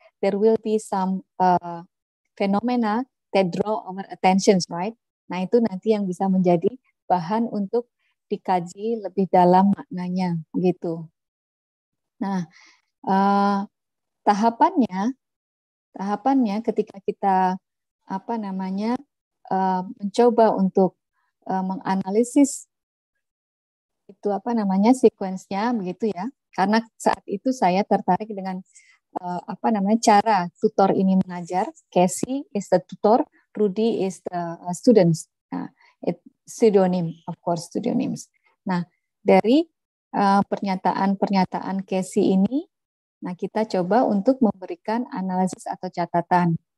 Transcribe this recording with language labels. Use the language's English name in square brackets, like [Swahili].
[English] there will be some phenomena that draw our attention, right? [Indonesian] Nah, itu nanti yang bisa menjadi bahan untuk dikaji lebih dalam maknanya, gitu. Nah, tahapannya ketika kita mencoba untuk menganalisis itu sequence-nya begitu ya, karena saat itu saya tertarik dengan cara tutor ini mengajar. [English] Casey is the tutor, Rudy is the students. [Indonesian] Nah, [English] pseudonyms. [Indonesian] Nah, dari pernyataan-pernyataan Casey ini, nah kita coba untuk memberikan analisis atau catatan.